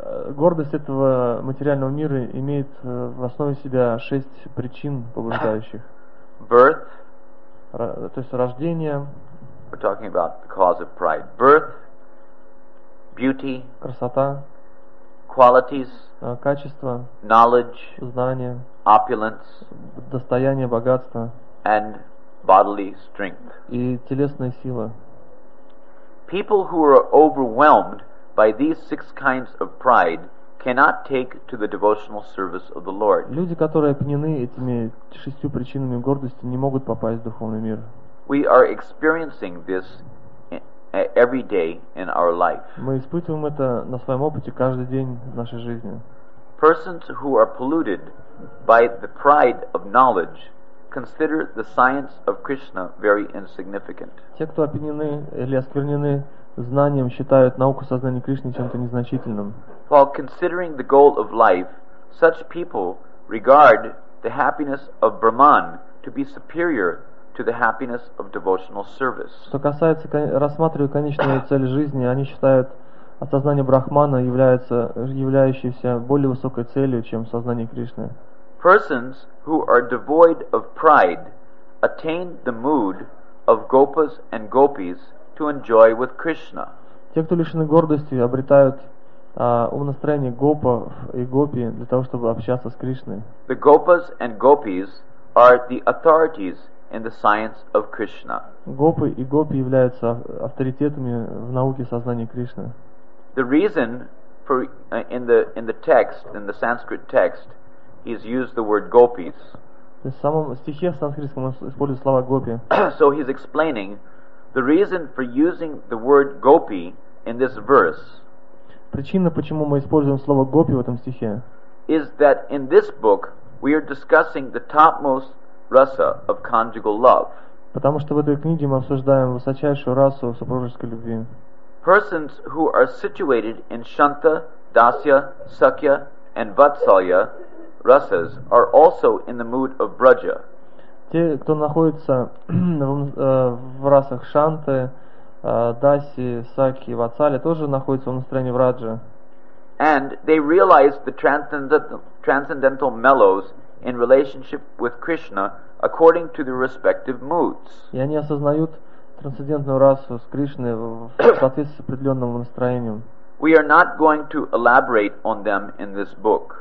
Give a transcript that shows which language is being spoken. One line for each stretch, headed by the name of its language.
Russian: Гордость этого материального мира имеет в основе себя шесть причин побуждающих.
English: Birth,
Russian: то есть рождение.
English: We're talking about the cause of pride. Birth, beauty,
Russian: красота,
English: qualities,
Russian: качество,
English: knowledge,
Russian: знания,
English: opulence,
Russian: достояние, богатство,
English: and bodily strength,
Russian: и телесная сила.
English: People who are overwhelmed by these six kinds of pride cannot take to the devotional service of the Lord.
Russian: Люди, которые опьянены этими шестью причинами гордости, не могут попасть в духовный мир.
English: We are experiencing this every day in our life.
Russian: Мы испытываем это на своем опыте каждый день в нашей жизни.
English: Persons who are polluted by the pride of knowledge consider the science of Krishna very insignificant.
Russian: Те, кто опьянены или осквернены знанием, считают науку сознания Кришны чем-то незначительным.
English: While considering the goal of life, such people regard the happiness of Brahman to be superior to the happiness of devotional service.
Russian: Что касается рассматривать конечную цель жизни, они считают осознание Брахмана являющейся более высокой целью, чем сознание Кришны.
English: Persons who are devoid of pride attain the mood of gopas and gopis to enjoy with Krishna.
Russian: Те, кто лишены гордости, обретают умонастроение гопов и гопи для того, чтобы общаться с Кришной.
English: The gopas and gopis are the authorities in the science of Krishna.
Russian: Гопы и гопи являются авторитетами в науке сознания Кришны.
English: The reason for in the text, in the Sanskrit text, he has used the word gopis.
Russian: В самом стихе санскритском он использует слово гопи.
English: So he's explaining the reason for using the word gopi in this verse.
Russian: Причина, почему мы используем слово гопи в этом стихе,
English: is that in this book we are discussing the topmost rasa of conjugal love.
Russian: Потому что в этой книге мы обсуждаем высочайшую расу супружеской любви.
English: Persons who are situated in Shanta, Dasya, Sakya, and Vatsalya rasas are also in the mood of Braja.
Russian: Те, кто находится в расах Шанты, Даси, Саки, Вацали тоже находятся в настроении враджа.
English: And they realize the transcendental mellows in relationship with Krishna according to their respective moods.
Russian: И они осознают трансцендентную расу с Кришной в соответствии с определенным настроением.
English: We are not going to elaborate on them in this book.